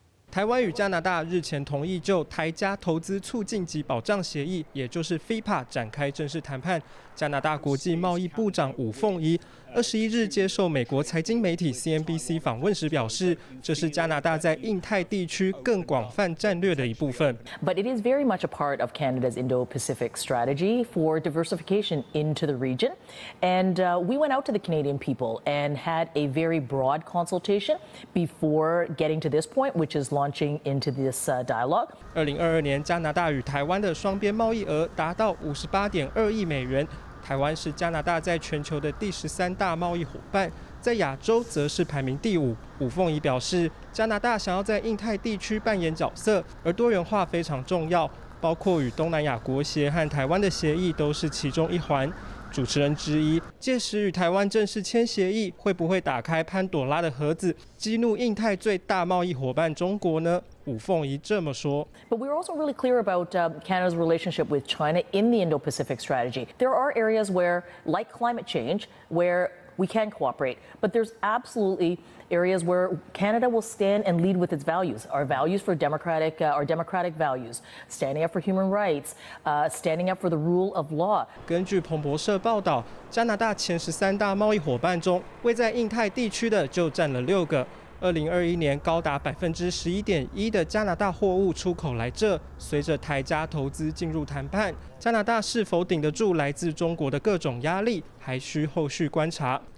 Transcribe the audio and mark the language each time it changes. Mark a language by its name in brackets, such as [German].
[Chinese] 台湾与加拿大日前同意就台加投资促进及保障协议，也就是 FIPA 展开正式谈判。加拿大国际贸易部长伍凤仪21日接受美国财经媒体 CNBC 访问时表示，这是加拿大在印太地区更广泛战略的一部分。 [English] But it is very much a part of Canada's Indo-Pacific strategy for diversification into the region. And we went out to the Canadian people and had a very broad consultation before getting to this point, which is launching into this dialogue. [Chinese] 2022年，加拿大与台湾的双边贸易额达到58.2亿美元。台湾是加拿大在全球的第13大贸易伙伴，在亚洲则是排名第5。伍凤仪表示，加拿大想要在印太地区扮演角色，而多元化非常重要，包括与东南亚国协和台湾的协议都是其中一环。主持人质疑，届时与台湾正式签协议，会不会打开潘朵拉的盒子，激怒印太最大贸易伙伴中国呢？伍凤仪这么说。 [English] But we're also really clear about Canada's relationship with China in the Indo-Pacific strategy. There are areas where, like climate change, where we can cooperate. But there's absolutely areas where Canada will stand and lead with its values. Our values for democratic values, standing up for human rights, standing up for the rule of law. [Chinese] 根据彭博社报道，加拿大前13大贸易伙伴中，位在印太地区的就占了6个。 2021年高达11.1%的加拿大货物出口来这，随着台加投资进入谈判，加拿大是否顶得住来自中国的各种压力，还需后续观察。